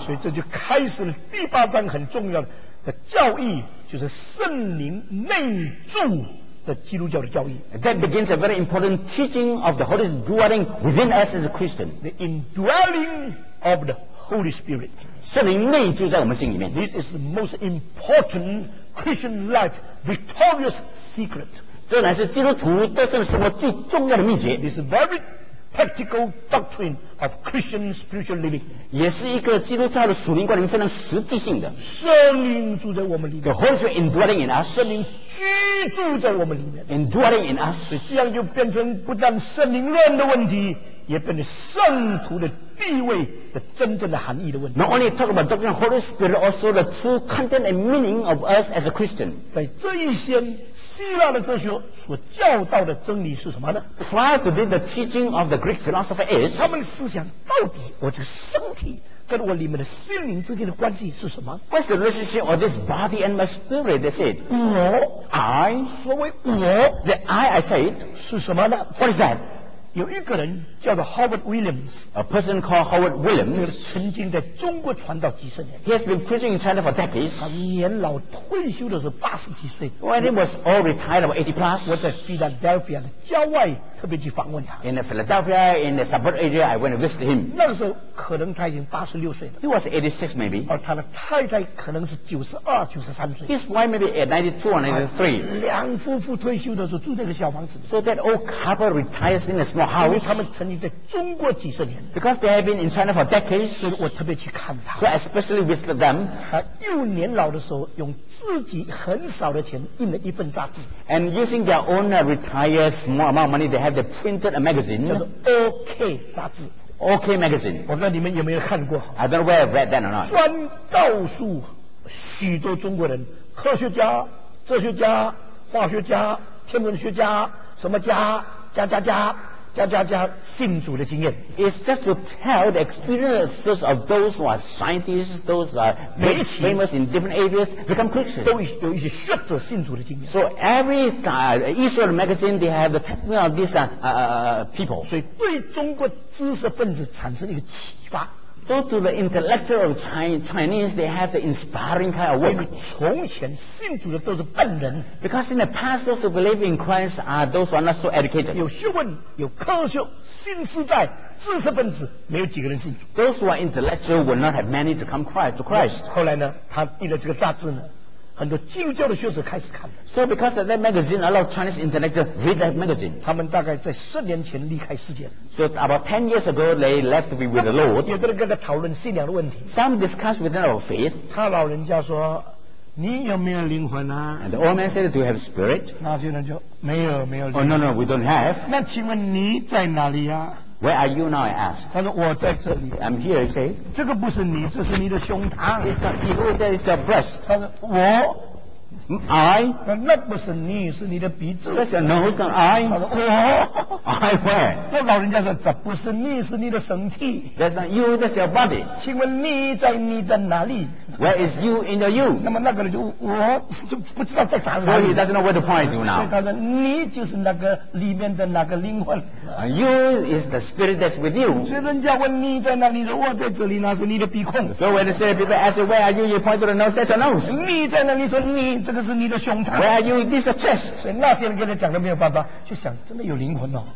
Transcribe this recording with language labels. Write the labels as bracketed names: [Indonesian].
[Chinese] 所以这就开始了第八章很重要的教义就是圣灵内住的基督教的教义 [English] That begins a very important teaching of the Holy Spirit dwelling within us as a Christian The indwelling of the Holy Spirit [Chinese] 圣灵内住在我们心里面 [English] This is the most important Christian life victorious secret [Chinese] 这乃是基督徒得胜生活最重要的秘诀 [English] This is verypractical doctrine of Christian spiritual living [Chinese] 也是一个基督教的属灵观念非常实际性的圣灵住在我们里面 [English] The Holy Spirit indwelling in us [Chinese] 圣灵居住在我们里面 [English] indwelling in us [Chinese] 所以这样就变成不但圣灵论的问题也变成圣徒的地位的真正的含义的问题 [English] Not only talk about doctrine of Holy Spirit also the true content and meaning of us as a Christian [Chinese] 在这一些希腊的哲学所教导的真理是什么呢 [English] Prior to this, the teaching of the Greek philosopher is [Chinese] 他们的思想到底我这个身体跟我里面的心灵之间的关系是什么 [English] What's the relationship of this body and my spirit, they said [Chinese] 我 [English] I [Chinese] 所谓我 [English] The I said [Chinese] 是什么呢 [English] What is that [Chinese] 有一个人叫做 Howard Williams [English] A person called Howard Williams [Chinese] 就是曾经在中国传道几十年 [English] He has been preaching in China for decades [Chinese] 他年老退休的时候八十几岁 [English] When he was all retired about 80 plus [Chinese] 我在 Philadelphia 的郊外特别去访问他 [English] In the Philadelphia, in the suburb area, I went to visit him [Chinese] 那个时候可能他已经八十六岁了 [English] He was 86 maybe [Chinese] 而他的太太可能是92、93岁 [English] His wife maybe at 92 or 93 [Chinese] 两夫妇退休的时候住那个小房子 [English] So that old couple retires in a small house [Chinese] 因为他们曾经在中国几十年 [English] Because they have been in China for decades [Chinese] 所以我特别去看他 [English] So I especially visited them [Chinese] 他又年老的时候用自己很少的钱印了一份杂志 [English] And using their own retired small amount of money they have they printed a magazine [Chinese] 叫做 OK 杂志 [English] OK magazine [Chinese] 我不知道你们有没有看过 [English] I don't know whether I've read that or not [Chinese] 专告诉许多中国人科学家哲学家化学家天文学家什么家加加加加信主的经验。 [English] It's just to tell the experiences of those who are scientists, those who are very famous in different areas, become Christians. [Chinese] 都有一些学者信主的经验。 [English] So every Israel magazine, they have the testimony of these people. [Chinese] 所以对中国知识分子产生一个启发。 [English] So to the intellectual of Chinese, they have the inspiring kind of work. [Chinese] 从前信主的都是笨人。 [English] Because in the past, those who believe in Christ are those who are not so educated. [Chinese] 有学问，有科学，新时代知识分子没有几个人信主。 [English] Those who are intellectual will not have many to come to Christ. [Chinese] 后来呢，他递了这个杂志呢，很多基督教的学者开始看。 [English] So because of that magazine, a lot of Chinese intellectuals read that magazine. [Chinese] 他们大概在十年前离开世界。 [English] So about 10 years ago, they left me with the Lord. [Chinese] 有的人跟他讨论信仰的问题。 [English] Some discuss with them about faith. [Chinese] 他老人家说，你有没有灵魂啊？ [English] And the old man said, do you have spirit? [Chinese] 那些人就没有，没有灵魂。 [English] Oh, no, we don't have. [Chinese] 那请问你在哪里啊？ [English] Where are you now? I asked. [Chinese] 他说我在这里。 [English] I'm here. He said. [Chinese] 这个不是你，这是你的胸膛。 [English] It's not you. That is the breast. [Chinese] 他说我。 [English] I. [Chinese] 那不是你，是你的鼻子。 [English] That's your nose. Not I. [Chinese] 他说我。 [English] I where? [Chinese] 那老人家说这不是你，是你的身体。 [English] That's not you. That's your body. [Chinese] 请问你在你的哪里？ [English] Where is you in the you? [Chinese] 那么那个人就我就不知道在哪里。 [English] So he doesn't know where to point to now. [Chinese] 所以他说你就是那个里面的那个灵魂。 [English] You is the spirit that's with you. [Chinese] 所以人家问你在哪里，说我在这里，那是你的鼻孔。 [English] So when they say people ask where are you, you point to the nose. That's your nose. [Chinese] 你在哪里？说你这个是你的胸膛。 [English] Where are you? This is a chest. [Chinese] 所以那些人跟他讲的没有办法，就想真的有灵魂哦。